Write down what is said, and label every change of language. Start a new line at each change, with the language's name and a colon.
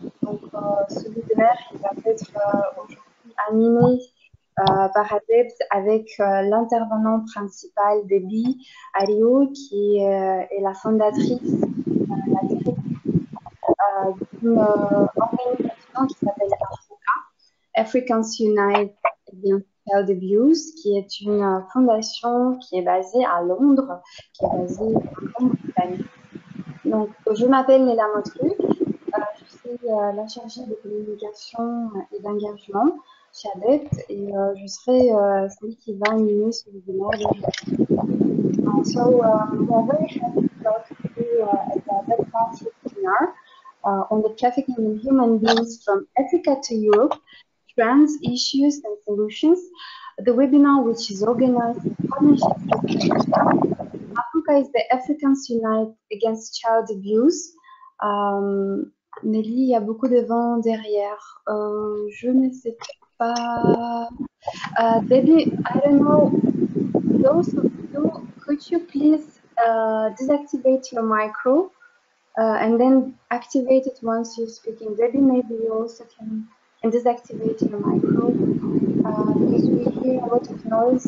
French: Donc, ce webinaire il va être aujourd'hui animé par ADEPT avec l'intervenant principal d'Ebi, Ariyo, qui est la fondatrice d'une organisation qui s'appelle AFRUCA, Africans Unite Against Child Abuse, qui est une fondation qui est basée à Londres, qui est basée en Grande-Bretagne. Donc, je m'appelle Nela Motru, je suis la chargée de communication et d'engagement chez ADEPT et je serai celle qui va animer ce webinaire.
English: So, we are very happy to talk to the ADEPT webinar on the trafficking in human beings from Africa to Europe, trends, issues and solutions. The webinar, which is organized in partnership with AFRUCA, is the Africans Unite Against Child Abuse.
French: Nelly, il y a beaucoup de vent derrière. Je ne sais pas.
English: Debbie, I don't know, those of you, could you please deactivate your micro and then activate it once you're speaking. Debbie, maybe you also can deactivate your micro because we hear a lot of noise.